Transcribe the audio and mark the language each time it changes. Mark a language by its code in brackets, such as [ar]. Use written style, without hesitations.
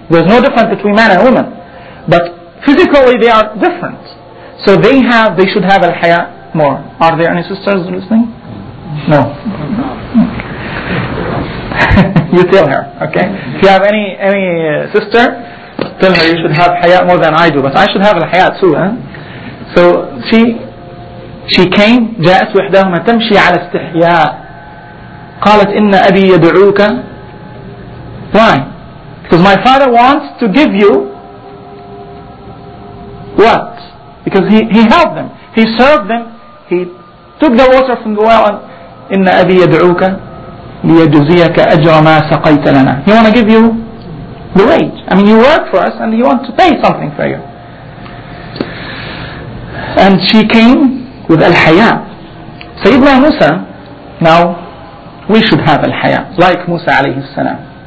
[en] There's no difference between men and women. But physically, they are different. So they should have al-haya more. Are there any sisters listening? No. You tell her, okay? If you have any sister, tell her you should have haya more than I do. But I should have al-haya too, huh? So she came, [ar] جاءت وحداهما تمشي على استحياء. قالت إن أبي يدعوك. Why? [en] Because my father wants to give you what? Because he helped them. He served them. He took the water from the well. [ar] إن أبي يدعوك ليجزيك أجر ما سقيت لنا. [en] He want to give you the wage. I mean, you work for us and he want to pay something for you. And she came with al-haya. Sayyidina Musa, now we should have al-haya like Musa alayhi salam.